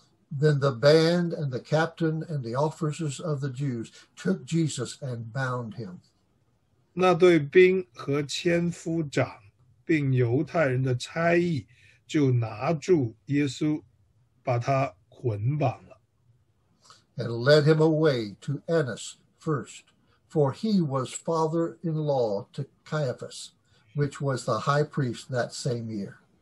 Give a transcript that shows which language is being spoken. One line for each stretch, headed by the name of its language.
English: Then the band and the captain and the officers of the Jews took Jesus and bound him.
Chinese: 那对兵和千夫长，并犹太人的差役，就拿住耶稣，把他捆绑。
English: And led him away to Annas first, for he was father-in-law to Caiaphas, which was the high priest that same year.